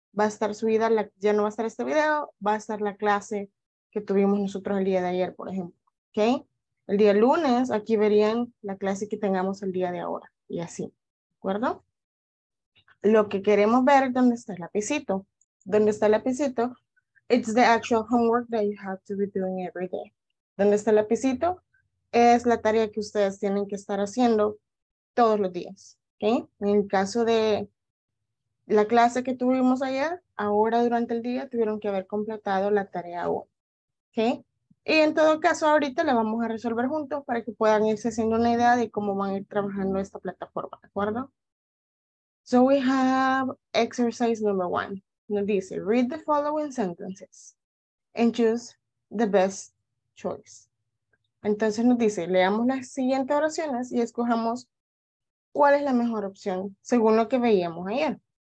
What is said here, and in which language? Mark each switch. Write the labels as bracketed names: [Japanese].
[Spanish] Va a estar subida, ya no va a estar este video, va a estar la clase que tuvimos nosotros el día de ayer, por ejemplo. ¿Ok? El día lunes, aquí verían la clase que tengamos el día de ahora, y así. ¿De acuerdo? Lo que queremos ver es dónde está el lapicito. ¿Dónde está el lapicito? [English] It's the actual homework that you have to be doing every day. [Spanish] ¿Dónde está el lapicito? Es la tarea que ustedes tienen que estar haciendo todos los días. ¿Okay? En el caso de la clase que tuvimos ayer, ahora durante el día tuvieron que haber completado la tarea 1. ¿Okay? Y en todo caso, ahorita la vamos a resolver juntos para que puedan irse haciendo una idea de cómo van a ir trabajando esta plataforma. ¿De acuerdo? [English] So we have exercise number 1. [Spanish] Nos dice, [English] read the following sentences and choose the best choice. [Spanish] Entonces nos dice, leamos las siguientes oraciones y escojamos cuál es la mejor opción según lo que veíamos ayer.